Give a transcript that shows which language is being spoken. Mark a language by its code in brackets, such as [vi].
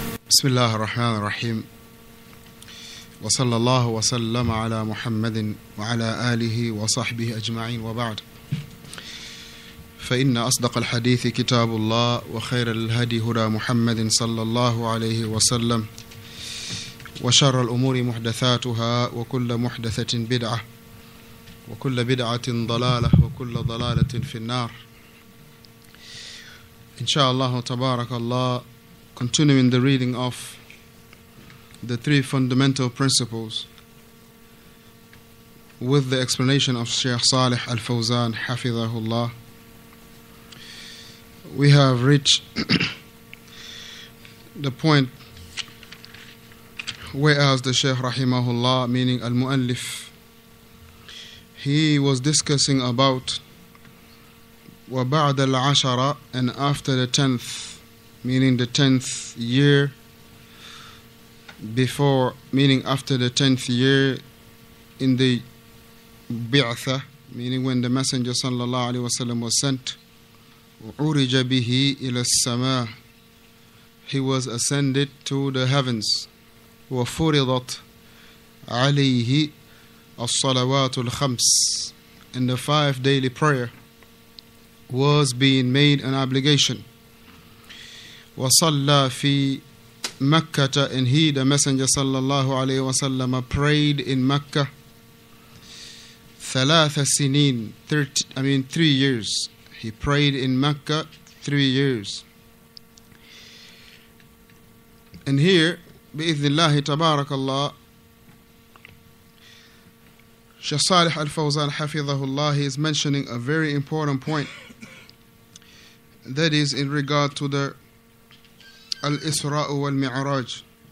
[ar] بسم الله الرحمن الرحيم وصلى الله وسلم على محمد وعلى آله وصحبه أجمعين وبعد فإن أصدق الحديث كتاب الله وخير الهدي هدى محمد صلى الله عليه وسلم وشر الأمور محدثاتها وكل محدثة بدعة وكل بدعة ضلالة وكل ضلالة في النار إن شاء الله تبارك الله. [en] Continuing the reading of the three fundamental principles with the explanation of Shaykh Salih Al-Fawzan, Hafizahullah, we have reached the point whereas the Shaykh Rahimahullah, meaning Al-Mu'allif, he was discussing about [ar] وَبَعْدَ الْعَشَرَ [en] and after the tenth, meaning the 10th year before, meaning after the 10th year in the bi'tha, meaning when the Messenger sallallahu alaihi wasallam was sent, [ar] urija bihi ila as-sama, [en] he was ascended to the heavens, [ar] wa furidat alayhi as-salawatul khams, [en] and the 5 daily prayer was being made an obligation. [ar] وَصَلَّى فِي مَكَّةَ [en] and he, the Messenger صلى الله عليه وسلم, prayed in Mecca [ar] ثَلَاثَ سِنِينَ [en] 3 years. He prayed in Mecca 3 years. And here, [ar] بِإِذْنِ اللَّهِ تَبَارَكَ اللَّهِ [en] Shaykh Salih Al-Fawzan حَفِظَهُ اللَّهِ, he is mentioning a very important point that is in regard to the Al-Isra wal-Mi'raj.